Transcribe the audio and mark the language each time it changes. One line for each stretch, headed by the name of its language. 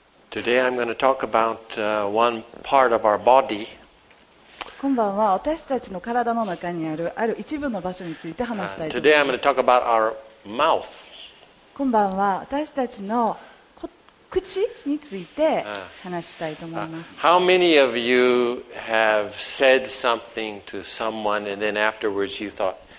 English: Today I'm going to talk about one part of our body.
Japanese: こんばんは。私たちの体の中にあるある一部の場所について話したいと思います。
English: Today I'm going to talk about our mouth.
Japanese: こんばんは。私たちの口について話したいと思います。
English: How many of you have said something to someone and then afterwards you thought,